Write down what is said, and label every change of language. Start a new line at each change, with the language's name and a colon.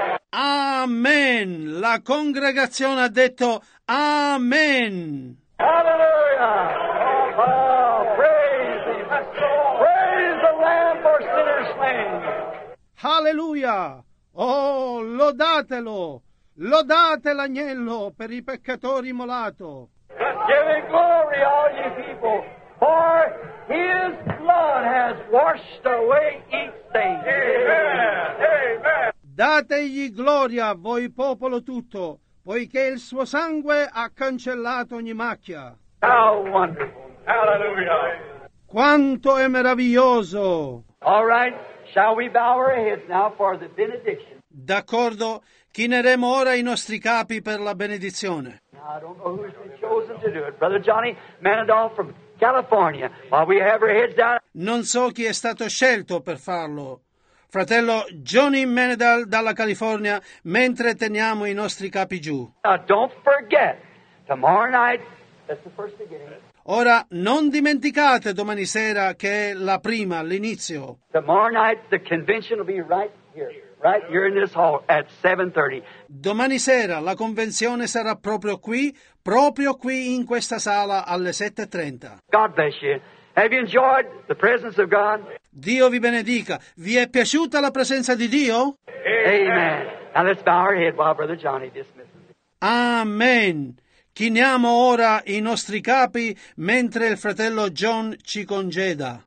Italian: Amen. La congregazione ha detto amen.
English: Hallelujah. Oh, praise him. Praise the Lamb for sinners slain.
Italian: Hallelujah. Oh, lodatelo. Lodate l'agnello per i peccatori immolato.
English: Give him glory, all ye people, for his blood has washed away each stain. Amen.
Italian: Dategli gloria, voi popolo tutto, poiché il suo sangue ha cancellato ogni macchia.
English: How wonderful. Hallelujah.
Italian: Quanto è meraviglioso.
English: All right, shall we bow our heads now for the benediction?
Italian: D'accordo, chineremo ora i nostri capi per la benedizione.
English: Now, I don't know who's been chosen to do it. Brother Johnny Manadol from California. While we have our heads down.
Italian: Non so chi è stato scelto per farlo. Fratello Johnny Menedal dalla California, mentre teniamo i nostri capi giù.
English: Don't forget, tomorrow night, that's the first beginning.
Italian: Ora, non dimenticate domani sera che è la prima, l'inizio.
English: Tomorrow night, the convention will be right here, right here in this hall at 7:30.
Italian: Domani sera la convenzione sarà proprio qui in questa sala alle 7:30.
English: God bless you. Have you enjoyed the presence of God?
Italian: Dio vi benedica. Vi è piaciuta la presenza di Dio?
English: Amen. Now let's bow our head while Brother Johnny dismisses it.
Italian: Amen. Chiniamo ora i nostri capi mentre il fratello John ci congeda.